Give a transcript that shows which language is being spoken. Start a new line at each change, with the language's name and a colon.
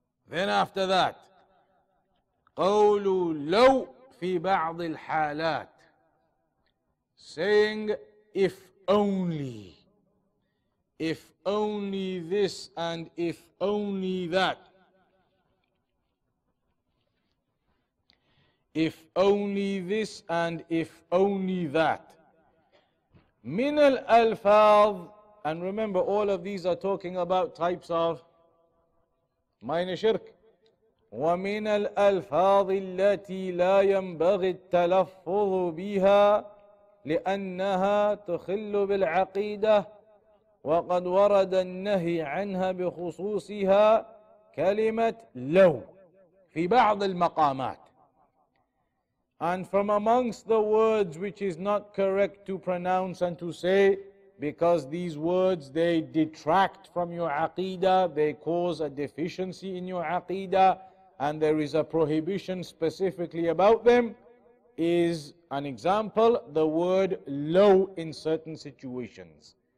English: Then after that,
Arabic: قول لو في بعض الحالات,
English: saying if only this and if only that, if only this and if only that.
Arabic: من الألفاظ,
English: and remember all of these are talking about types of minor shirk.
Arabic: ومن الألفاظ التي لا ينبغي التلفظ بها لأنها تخل بالعقيدة وقد ورد النهي عنها بخصوصها كلمة لو في بعض المقامات.
English: And from amongst the words which is not correct to pronounce and to say, because these words, they detract from your aqeedah, they cause a deficiency in your aqeedah, and there is a prohibition specifically about them, is an example, the word low in certain situations.